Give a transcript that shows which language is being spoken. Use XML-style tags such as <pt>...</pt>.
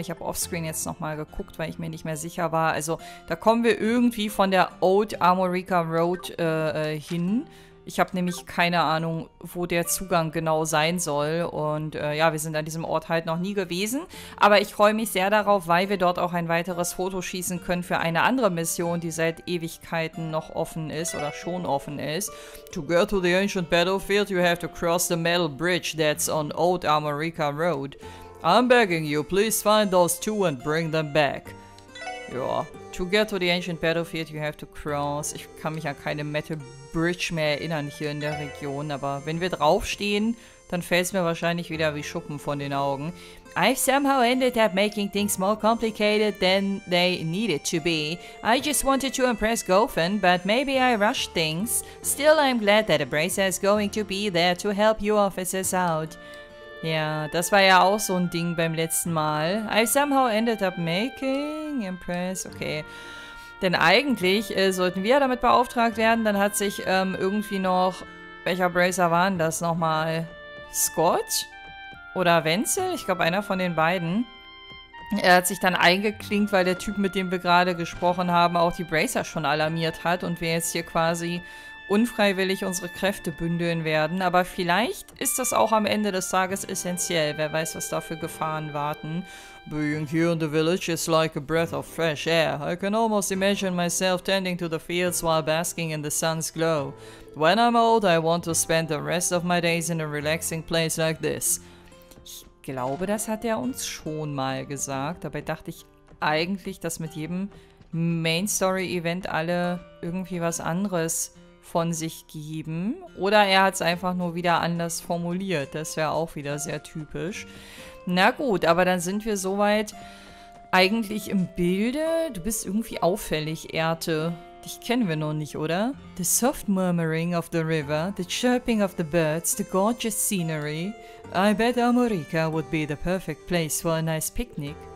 <de>Ich habe offscreen jetzt nochmal geguckt, weil ich mir nicht mehr sicher war. Also da kommen wir irgendwie von der Old Armorica Road hin. Ich habe nämlich keine Ahnung, wo der Zugang genau sein soll. Und ja, wir sind an diesem Ort halt noch nie gewesen. Aber ich freue mich sehr darauf, weil wir dort auch ein weiteres Foto schießen können für eine andere Mission, die seit Ewigkeiten noch offen ist oder schon offen ist.</de> <en>To go to the ancient battlefield, you have to cross the metal bridge that's on Old Armorica Road. I'm begging you, please find those two and bring them back. Ja, to get to the ancient battlefield, you have to cross.</en> <de>Ich kann mich an keine Metal Bridge mehr erinnern hier in der Region, aber wenn wir draufstehen, dann fällt es mir wahrscheinlich wieder wie Schuppen von den Augen.</de> <en>I've somehow ended up making things more complicated than they needed to be. I just wanted to impress Gofen, but maybe I rushed things. Still, I'm glad that Abraza is going to be there to help you officers out.</en> <de>Ja, das war ja auch so ein Ding beim letzten Mal.</de> <en>I somehow ended up making impress. Okay.</en> <de>Denn eigentlich sollten wir damit beauftragt werden. Dann hat sich irgendwie noch... Welcher Bracer war denn das nochmal? Scott? Oder Wenzel? Ich glaube, einer von den beiden. Er hat sich dann eingeklinkt, weil der Typ, mit dem wir gerade gesprochen haben, auch die Bracer schon alarmiert hat. Und wir jetzt hier quasi unfreiwillig unsere Kräfte bündeln werden. Aber vielleicht ist das auch am Ende des Tages essentiell. Wer weiß, was da für Gefahren warten.</de> <en>Being here in the village is like a breath of fresh air. I can almost imagine myself tending to the fields while basking in the sun's glow. When I'm old, I want to spend the rest of my days in a relaxing place like this.</en> <de>Ich glaube, das hat er uns schon mal gesagt. Dabei dachte ich eigentlich, dass mit jedem Main-Story-Event alle irgendwie was anderes von sich geben. Oder er hat es einfach nur wieder anders formuliert. Das wäre auch wieder sehr typisch. Na gut, aber dann sind wir soweit eigentlich im Bilde. Du bist irgendwie auffällig, Erte. Dich kennen wir noch nicht, oder?</de> <en>The soft murmuring of the river, the chirping of the birds, the gorgeous scenery. I bet Armorica would be the perfect place for a nice picnic.</en>